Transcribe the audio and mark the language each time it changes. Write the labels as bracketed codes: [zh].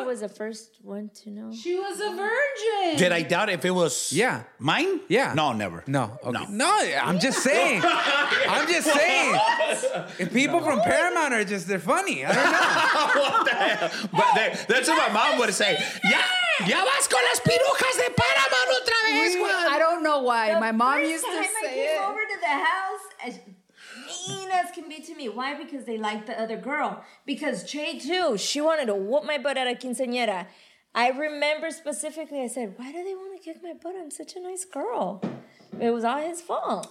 [en] She was the first one to know. She was a virgin. Did I doubt if it was mine? Yeah. No, never. No. Okay. No, I'm just saying. I'm just saying. If people from Paramount are just, they're funny. I don't know. What the hell? But that's what my mom would say. Yeah. [es] Ya vas con las pirujas de Paramount otra vez, Juan. [en] I don't know why. The my mom used to say it. The first time I came over to the house, as mean as can be to me. Why? Because they liked the other girl. Because Jay, too, she wanted to whoop my butt at a quinceañera. I remember specifically, I said, why do they want to kick my butt? I'm such a nice girl. It was all his fault.